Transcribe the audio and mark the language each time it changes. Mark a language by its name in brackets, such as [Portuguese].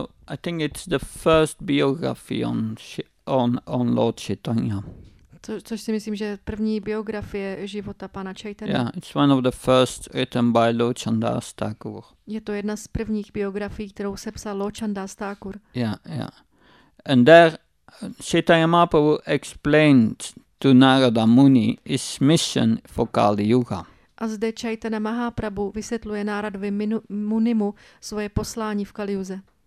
[English] I think it's the first biography on Lord Chaitanya. [Czech] Což si myslím, že první biografie života pana Chaitanya. [English] Yeah, it's one of the first written by Lord Chandas Thakur. [Czech] Je to jedna z prvních biografií, kterou sepsal Lord Chandas Thakur. [English] Yeah. And there Chaitanya Mahaprabhu explained to Narada Muni his mission for Kali Yuga. [Czech] A zde Chaitanya Mahaprabhu vysvětluje Náradovi Munimu svoje poslání v Kali Yuze.